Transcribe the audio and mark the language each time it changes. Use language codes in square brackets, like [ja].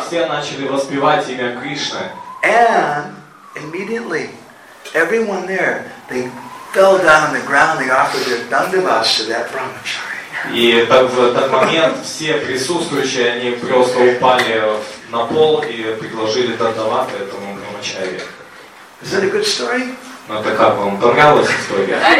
[ru] Они все начали воспевать имя Кришны. [en] And immediately, everyone there, they fell down on the ground. They offered their dandavas to that brahmachari. [ru] И в этот момент все присутствующие они просто упали на пол и предложили дандаваты этому брахмачари. [en] Is that a good story? [ru] Ну это как вам понравилась история?